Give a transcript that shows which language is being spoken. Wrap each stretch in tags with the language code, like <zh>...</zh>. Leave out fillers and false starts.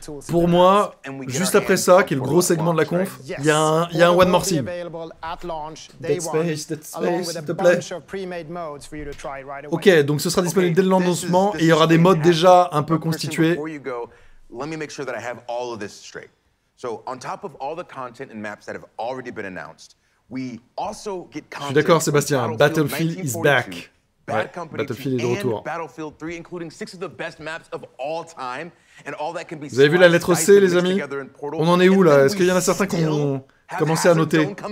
<fr>Pour moi, juste après ça, qui est le gros segment de la conf, il y a un One More Sim. Dead Space, s'il te plaît. Ok, donc ce sera disponible dès le lancement et il y aura des modes déjà un peu constitués.</fr> <en>Let me make sure that I have all of this straight. So, on top of all the content and maps that have already been announced. We also get content.</en> <fr>Je suis d'accord, Sébastien.</fr> <en>Battlefield is back.</en> <fr>Battlefield est de retour.</fr> <en>Battlefield 3, including six of the best maps of all time, and all that can be.</en> <fr>Vous avez vu la lettre C, les amis? On en est où là? Est-ce qu'il y en a certains qui ont commencé à noter?</fr>